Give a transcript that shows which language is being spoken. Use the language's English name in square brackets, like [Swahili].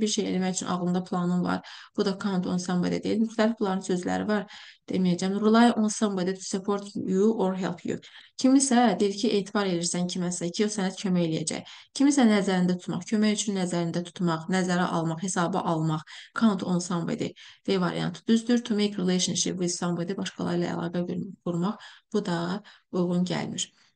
[Azerbaijani] Bir şey eləmək üçün ağlında planın var. Bu da [English] count on somebody [Azerbaijani] deyil. Müxtəlif bunların sözləri var. Deməyəcəm. [English] Rely on somebody to support you or help you. [Azerbaijani] Kimisə deyir ki, etibar edirsən kiməsə ki, o sənə kömək eləyəcək. Kimisə nəzərində tutmaq, kömək üçün nəzərində tutmaq, nəzərə almaq, hesaba almaq. [English] Count on somebody. [Azerbaijani] D variantı düzdür. [English] To make relationship with somebody. [Azerbaijani] Başqaları ilə əlaqə qurmaq. Bu da uyğun gəlmir.